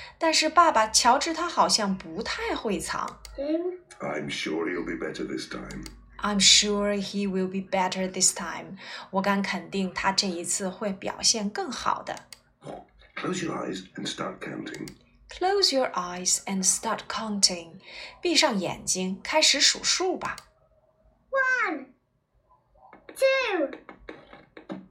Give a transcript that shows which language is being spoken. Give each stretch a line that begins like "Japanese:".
Chinese: 但是爸爸乔治他好像不太会藏。
English: I'm sure he'll be better this time. I'm sure he will be better this time.
Chinese: 我敢肯定他这一次会表现更好的。
English: Close your eyes and start counting. Close your eyes and start counting.
Chinese: 闭上眼睛，开始数数吧。
English: 1, 2, 3, 4.